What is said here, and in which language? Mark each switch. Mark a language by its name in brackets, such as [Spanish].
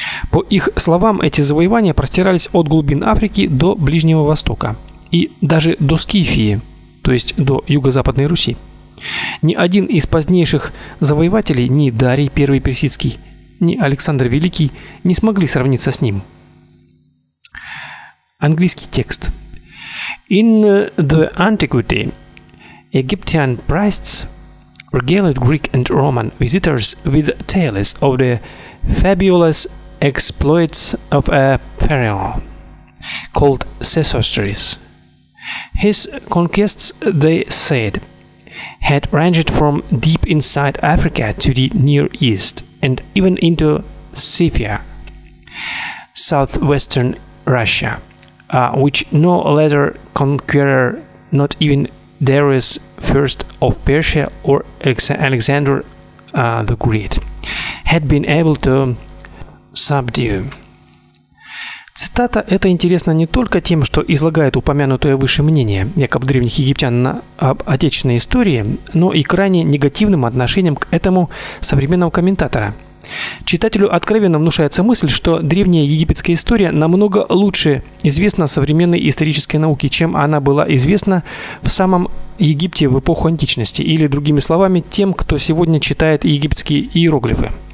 [Russian] По их словам, эти завоевания простирались от глубин Африки до Ближнего Востока и даже до Скифии, то есть до Юго-Западной Руси. Ни один из позднейших завоевателей, ни Дарий I персидский, ни Александр Великий, не смогли сравниться с ним. Английский текст. [English] In the antiquity, Egyptian priests regaled Greek and Roman visitors with tales of the fabulous exploits of a pharaoh called Sesostris. His conquests, they said, had ranged from deep inside Africa to the Near East and even into Scythia, southwestern Russia, which no later conqueror, not even Darius I of Persia or Alexander the Great, had been able to subdue. [Russian] Цитата эта интересна не только тем, что излагает упомянутое выше мнение якобы древних египтян об отечественной истории, но и крайне негативным отношением к этому современного комментатора. Читателю откровенно внушается мысль, что древняя египетская история намного лучше известна современной исторической науке, чем она была известна в самом Египте в эпоху античности, или, другими словами, тем, кто сегодня читает египетские иероглифы.